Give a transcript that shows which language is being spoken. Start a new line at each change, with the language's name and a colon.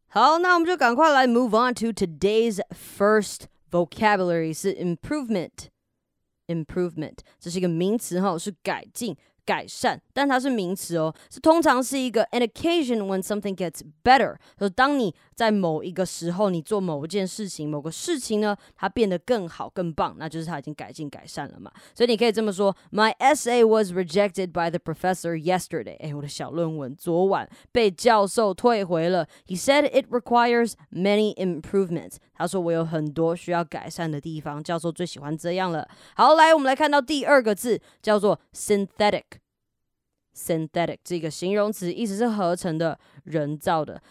Chinese: 好，那我们就赶快来
English: move on to today's first vocabulary
Chinese: 是 improvement improvement. 这是一个名词哦，是改进、改善，但它是名词哦，是通常是一个
English: an occasion when something gets better.
Chinese: 就是当你在某一个时候，你做某一件事情、某个事情呢，它变得更好、更棒，那就是它已经改进、改善了嘛。所以你可以这么说
English: ：My essay was rejected by the professor yesterday.
Chinese: 哎，我的小论文昨晚被教授退回了。
English: He said it requires many improvements.
Chinese: 他说我有很多需要改善的地方。教授最喜欢这样了。好，来，我们来看到第二个字，叫做 synthetic。 Synthetic 这个形容词意思是合成的、人造的。